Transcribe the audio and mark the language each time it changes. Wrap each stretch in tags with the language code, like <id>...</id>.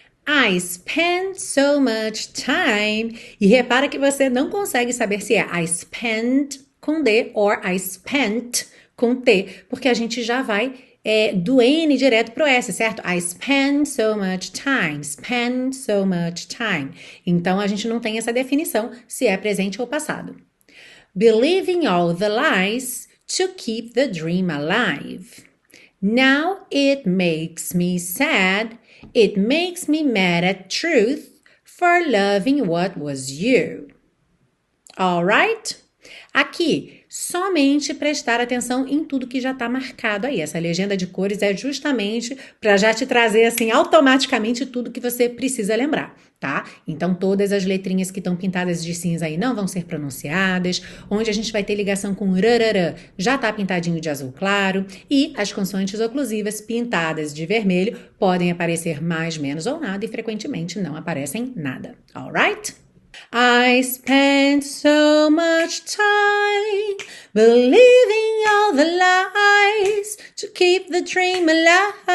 <pt>I spend so much time. E repara que você não consegue saber se é I spent com D or I spent com T, porque a gente já vai do N direto pro S, certo?</pt> <en>I spend so much time. Spend so much time.</en> <pt>Então a gente não tem essa definição se é presente ou passado.</pt> <en>Believing all the lies to keep the dream alive. Now it makes me sad. It makes me mad at truth for loving what was you. All right?</en> <pt>Aqui, somente prestar atenção em tudo que já está marcado aí. Essa legenda de cores é justamente para já te trazer assim automaticamente tudo que você precisa lembrar, tá? Então, todas as letrinhas que estão pintadas de cinza aí não vão ser pronunciadas. Onde a gente vai ter ligação com rarara, já está pintadinho de azul claro. E as consoantes oclusivas pintadas de vermelho podem aparecer mais, menos ou nada e frequentemente não aparecem nada.</pt> <en>All right? I spent so much time believing all the lies to keep the dream alive.</en>